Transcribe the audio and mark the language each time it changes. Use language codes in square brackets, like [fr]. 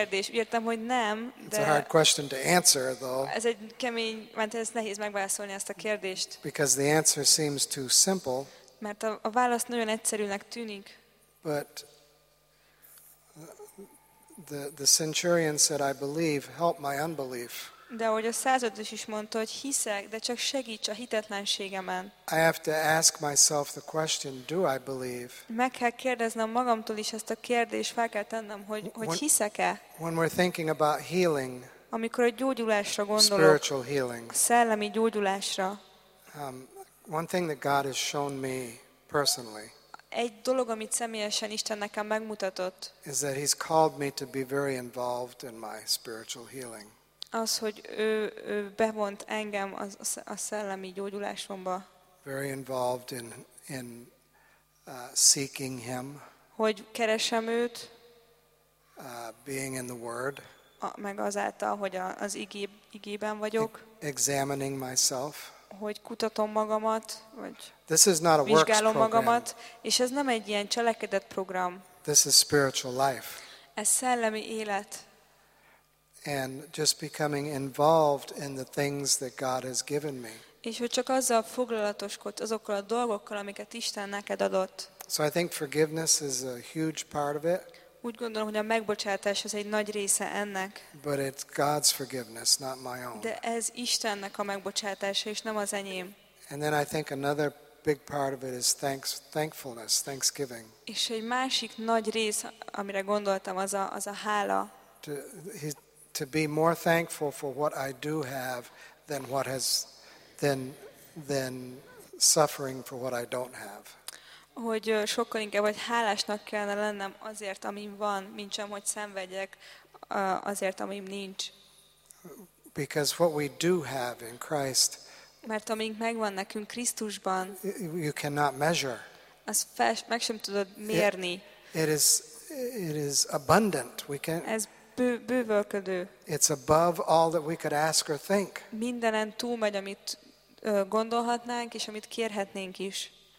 [hu] Kérdés. Értem, hogy nem, [en] it's a hard question to answer, though. [hu] Ez egy kemény, mert ez nehéz megválaszolni ezt a kérdést. [en] Because the answer seems too simple. [hu] mert a válasz nagyon egyszerűnek tűnik. [en] But the centurion said, I believe, help my unbelief. [hu] De ahogy a százados is mondta, hogy hiszek, de csak segíts a hitetlenségemen. [en] I have to ask myself the question, do I believe? [hu] Meg kell kérdeznem magamtól is ezt a kérdést, fel kell tennem, hogy hiszek-e? [en] When we're thinking about healing, [hu] amikor a gyógyulásra gondolok, [en] spiritual healing, [hu] szellemi gyógyulásra, [en] one thing that God has shown me personally, [hu] egy dolog, amit személyesen Isten nekem megmutatott, [en] is that he's called me to be very involved in my spiritual healing. [hu] Az, hogy ő bevont engem a szellemi gyógyulásomba. [en] Very involved in seeking him. [hu] Hogy keresem őt. [en] Being in the word. [hu] Meg azáltal, hogy az igében vagyok. [en] Examining myself. [hu] Hogy kutatom magamat, vagy [en] this is not a [hu] vizsgálom magamat, és ez nem egy ilyen cselekedett program. [en] This is spiritual life. [hu] Ez szellemi élet. [en] And just becoming involved in the things that God has given me. [hu] És hogy csak azzal foglalatoskodsz, azokkal a dolgokkal, amiket Isten neked adott. [en] So I think forgiveness is a huge part of it. [hu] Úgy gondolom, hogy a megbocsátás az egy nagy része ennek. [en] But it's God's forgiveness, not my own. [hu] De ez Istennek a megbocsátása, és nem az enyém. [en] And then I think another big part of it is thankfulness, thanksgiving. [hu] És egy másik nagy rész, amire gondoltam, az a hála. [en] To be more thankful for what I do have than what has than suffering for what I don't have. [hu] Hogy sokkal inkább vagy hálásnak kellene lennem azért, amim van, mint sem hogy szenvedjek azért, amim nincs. [en] Because what we do have in Christ, [hu] mert amink megvan nekünk Krisztusban, [en] you cannot measure. [hu] Az meg sem tudod mérni. [en] It is abundant. We can [hu] bővölködő. [en] It's above all that we could ask or think. [hu] Mindenen túl megy, amit gondolhatnánk és amit kérhetnénk is.